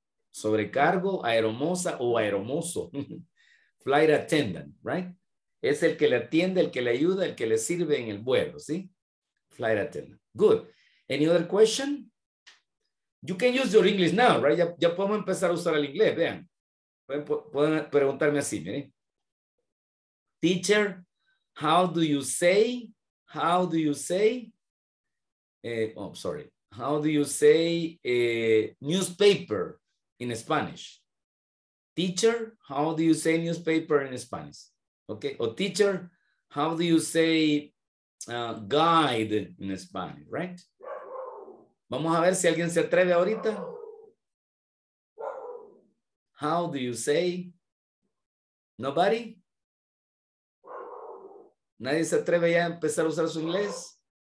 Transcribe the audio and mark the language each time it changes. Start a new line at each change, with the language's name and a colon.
Spanish: Sobrecargo, aeromoza o aeromozo.
English: Flight attendant, right?
Spanish: Es el que le atiende, el que le ayuda, el que le sirve en el vuelo, ¿sí?
English: Flight attendant. Good. Any other question? You can use your English now, right?
Spanish: Ya podemos empezar a usar el inglés, vean. Pueden preguntarme así, miren.
English: Teacher, how do you say newspaper in Spanish? Teacher, how do you say newspaper in Spanish? Okay. Or teacher, how do you say guide in Spanish, right?
Spanish: Vamos a ver si alguien se atreve ahorita.
English: How do you say? Nobody?
Spanish: ¿Nadie se atreve ya a empezar a usar su inglés?